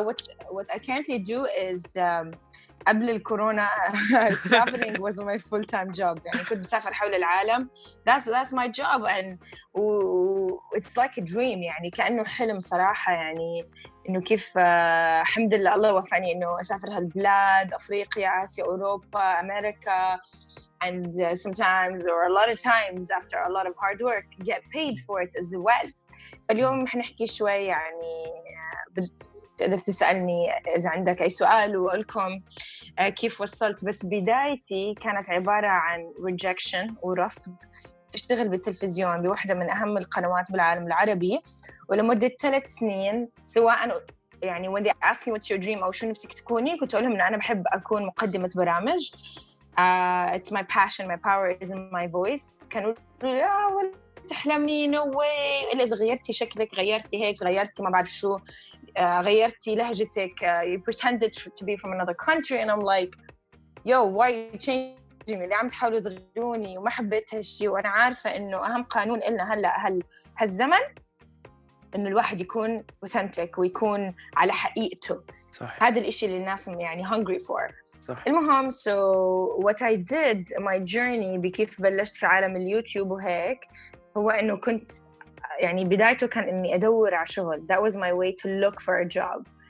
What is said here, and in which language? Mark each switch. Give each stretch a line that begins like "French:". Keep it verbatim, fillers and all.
English: uh, what what I currently do is um,
Arabic: قبل الكورونا
English: traveling was my full time job.
Arabic: يعني كنت بسافر حول العالم.
English: That's that's my job and و- it's like a dream،
Arabic: يعني كأنه حلم صراحة. يعني إنه كيف آه، الحمد لله الله وفقني إنه أسافر هالبلاد، أفريقيا، آسيا، أوروبا، أمريكا.
English: And uh, sometimes or a lot of times after a lot of hard work get paid for it as well. مم.
Arabic: اليوم حنحكي شوي يعني آه، بت- بتقدر تسألني إذا عندك أي سؤال، وأقولكم آه، كيف وصلت. بس بدايتي كانت عبارة عن rejection ورفض. تشتغل بالتلفزيون بواحدة من أهم القنوات بالعالم العربي ولمدة ثلاث سنين، سواء يعني
English: when they ask me what's your dream
Arabic: أو شو نفسك تكوني، كنت أقولهم إن أنا بحب أكون مقدمة برامج.
English: uh, it's my passion, my power is in my voice.
Arabic: كانوا يقولوا لي اه ولا تحلمي،
English: no way،
Arabic: إلا إذا غيرتي شكلك، غيرتي هيك، غيرتي ما بعرف شو، آه، غيرتي لهجتك، آه،
English: you pretended to be from another country. and I'm like yo why you changing me،
Arabic: اللي عم تحاولوا تغيروني. وما حبيت هالشي، وأنا عارفة إنه أهم قانون إلنا هلأ هل هالزمن إنه الواحد يكون authentic ويكون على حقيقته. صح هذا الإشي اللي الناس يعني
English: hungry for.
Arabic: صح المهم
English: so what I did my journey
Arabic: بكيف بلشت في عالم اليوتيوب وهيك، هو إنه كنت يعني بدايته كان إني أدور على شغل.
English: that was my way to look for a job.